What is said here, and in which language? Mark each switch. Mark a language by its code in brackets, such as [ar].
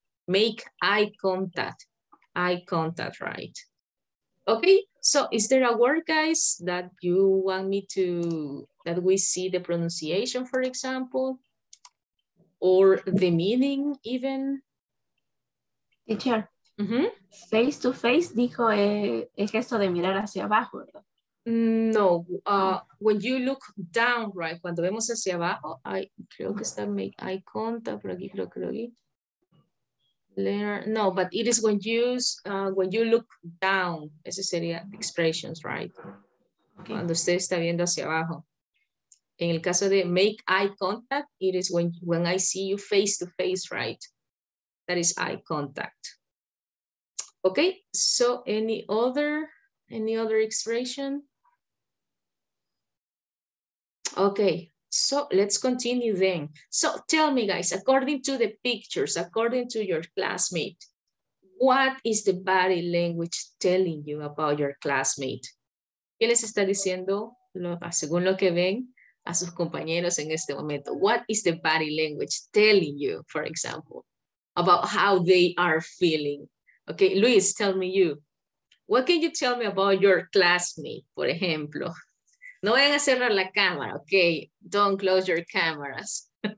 [en] Make eye contact, right? Okay, so is there a word, guys, that you want me to, that we see the pronunciation, for example, or the meaning even? Teacher. Mm-hmm. Face to face [es] dijo el gesto de mirar hacia abajo, ¿verdad? [en] No, when you look down, right? [es] Cuando vemos hacia abajo, creo que está [en] make eye contact, [es] por aquí creo que lo vi. [en] No, but it is when you look down, [es] ese sería [en] expressions, right? Okay. [es] Cuando usted está viendo hacia abajo. En el caso de [en] make eye contact, it is when I see you face to face, right? That is eye contact. Okay, so any other expression? Okay, so let's continue then. So tell me guys, according to the pictures, according to your classmate, what is the body language telling you about your classmate? [es] ¿Qué les está diciendo, según lo que ven, a sus compañeros en este momento? [en] What is the body language telling you, for example, about how they are feeling? Okay, Luis, tell me you. What can you tell me about your classmate, [es] por ejemplo? No vayan a cerrar la cámara, okay? [en] Don't close your cameras.